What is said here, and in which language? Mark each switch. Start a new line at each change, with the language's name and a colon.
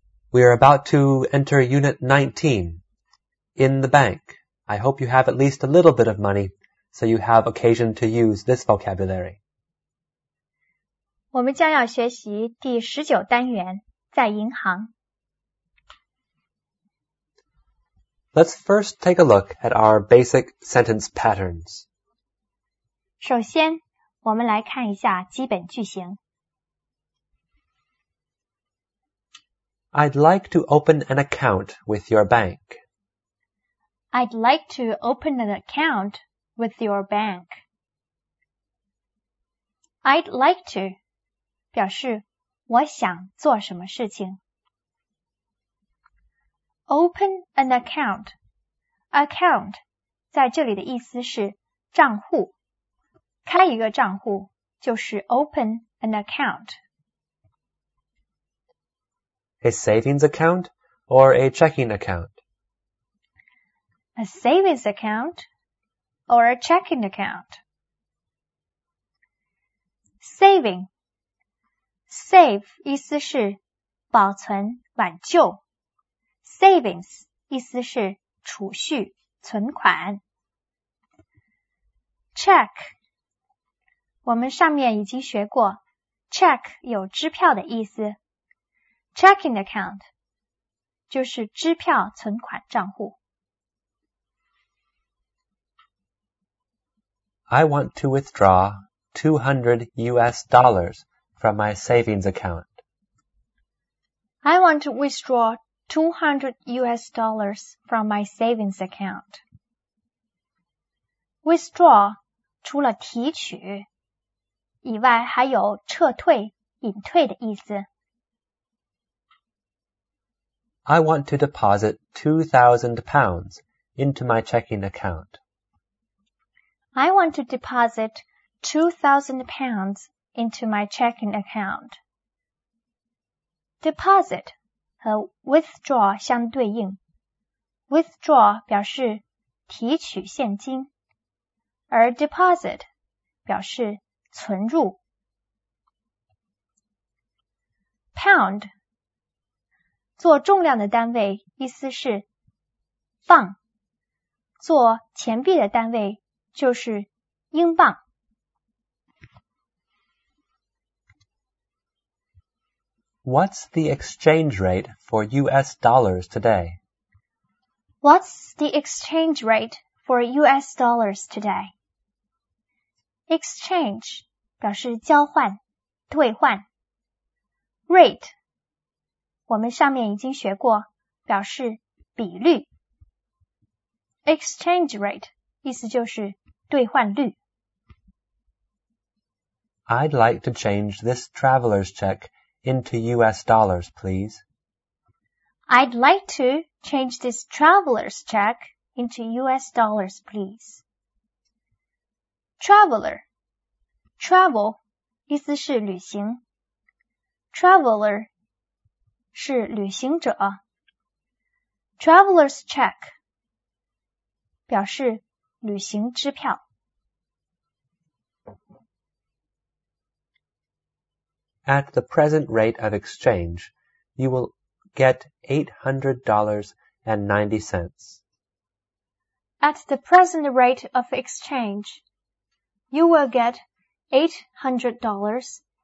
English: We are about to enter Unit 19, In the Bank. I hope you have at least a little bit of money, so you have occasion to use this vocabulary.
Chinese: 我们将要学习第十九单元，在银行。
English: Let's first take a look at our basic sentence patterns.
Chinese: 首先，我们来看一下基本句型。
English: I'd like to open an account with your bank. I'd like to open an account with your bank. I'd like to
Chinese: 表示我想做什么事情。
English: Open an account.
Chinese: Account 在这里的意思是账户。开一个账户就是
English: open an account. A savings account or a checking account? A savings account or a checking account? Saving.
Chinese: Save 意思是保存、挽救。 Savings 意思是储蓄、存款。
English: Check.
Chinese: 我们上面已经学过 check 有支票的意思。 Checking account 就是支票存款账户。
English: I want to withdraw $200 from my savings account. I want to withdraw $200 from my savings account.
Chinese: Withdraw 除了提取以外还有撤退、隐退的意思。
English: I want to deposit £2,000 into my checking account. I want to deposit £2,000 into my checking account.
Chinese: Deposit 和 withdraw 相对应。 Withdraw 表示提取现金，而 deposit 表示存入。
English: Pound.
Chinese: 做重量的单位意思是磅，做钱币的单位就是英镑。
English: What's the exchange rate for US dollars today? What's the exchange rate for US dollars today?
Chinese: Exchange 表示交换、兑换。 Rate我们上面已经学过表示比率。 Exchange rate 意思就是兑换率。
English: I'd like to change this traveler's check into US dollars, please. I'd like to change this traveler's check into US dollars, please. Traveler.
Chinese: Travel 意思是旅行。 Traveler. 是旅行者。 Traveler's check 表示旅行支票。
English: At the present rate of exchange, you will get $800.90. At the present rate of exchange, you will get $800.90.